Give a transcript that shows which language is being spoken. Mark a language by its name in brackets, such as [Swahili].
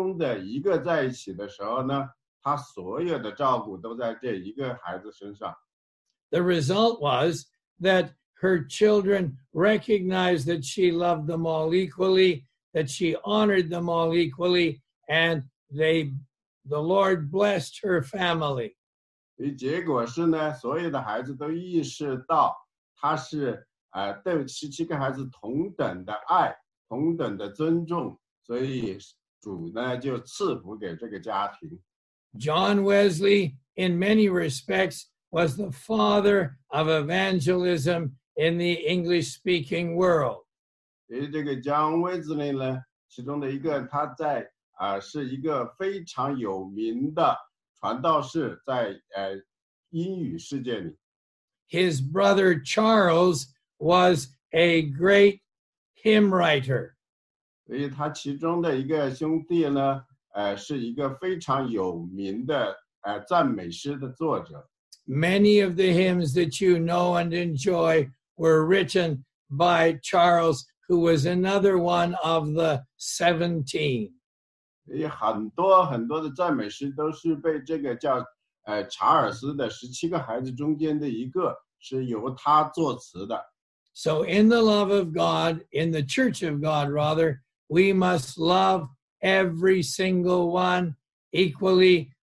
[Chinese] 当她和其中的一个在一起的时候呢， 她所有的照顾都在这一个孩子身上。 [English] The result was that her children recognized that she loved them all equally, that she honored them all equally, and the Lord blessed her family. [Chinese] 结果是呢, 所有的孩子都意识到她是, 对17个孩子同等的爱, 同等的尊重, 所以主呢就赐福给这个家庭。 [English] John Wesley, in many respects, was the father of evangelism in the English-speaking world. [Chinese] 这个John Wesley呢, 其中的一个, 他在, 是一个非常有名的传道士, 在, 英语世界里。 [English] His brother Charles was a great hymn writer. [Chinese] 所以他其中的一个兄弟呢, 是一个非常有名的, 赞美诗的作者。 [English] Many of the hymns that you know and enjoy were written by Charles, who was another one of the 17. [Chinese] 很多的赞美诗都是被这个叫 查尔斯的17个孩子中间的一个是由他作词的。 [English] So in the love of God, in the church of God rather, we must love every single one equally.